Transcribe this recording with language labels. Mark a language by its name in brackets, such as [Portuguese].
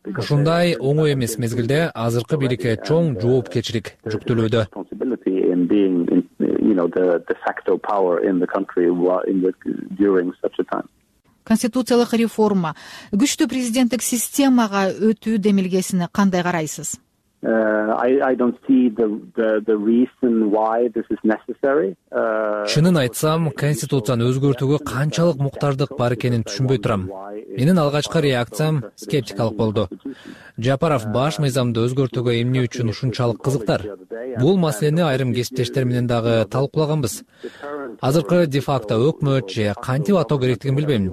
[Kyrgyz] Ушундай оңой эмес мезгилде азыркы бийликке чоң жоопкерчилик жүктөлүүдө. Конституциялык реформа, күчтүү президенттик системага өтүү демилгесине кандай карайсыз? [English] I don't see the reason why this is necessary. [Kyrgyz] Чынын айтсам, конституцияны өзгөртүүгө канчалык муктаждык бар экенин түшүнбөй турам. Менин алгачкы реакциям скептикалык болду. Жапаров баш мыйзамды өзгөртүүгө эмне үчүн ушунчалык кызыктар? Бул маселени айрым кесиптештер менен дагы талкуулаганбыз. Азыркы де-факто өкмөт же кантип атоо керектигин билбейм.